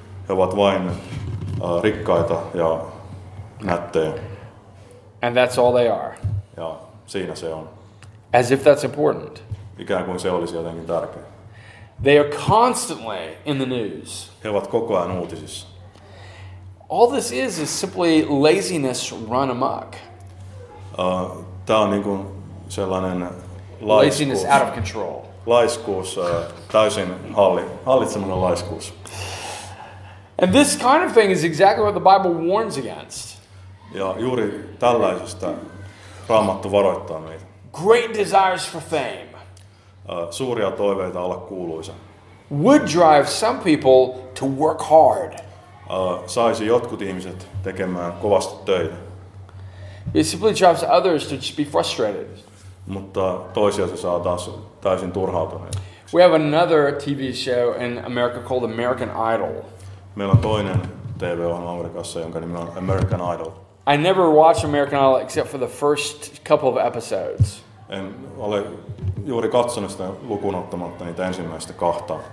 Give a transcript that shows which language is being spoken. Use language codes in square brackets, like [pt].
[fi] He ovat vain rikkaita ja nättejä. [en] And that's all they are. [fi] Ja siinä se on. [en] As if that's important. [fi] Ikään kuin se olisi jotenkin tärkeä. [en] They are constantly in the news. [fi] He ovat koko ajan uutisissa. [en] All this is simply laziness run amok. [fi] Tämä on niin kuin sellainen laiskuus. [en] Laziness out of control. [fi] Laiskuus, täysin hallitsemainen laiskuus. [en] And this kind of thing is exactly what the Bible warns against. [fi] Ja juuri tällaisesta Raamattu varoittaa meitä. [en] Great desires for fame. [fi] Suuria toiveita olla kuuluisa. [en] Would drive some people to work hard. [fi] Saisi jotkut ihmiset tekemään kovasti töitä. [en] It simply drives others to just be frustrated. [fi] Mutta toisia se saa taas täysin turhautuneita. [en] We have another TV show in America called American Idol. [fi] Meillä on toinen TV-ohjelma Amerikassa, jonka nimi on American Idol. [en] I never watch American Idol except for the first couple of episodes. [fi] En ole juuri katsonut sitä lukuun ottamatta niitä ensimmäistä kahta.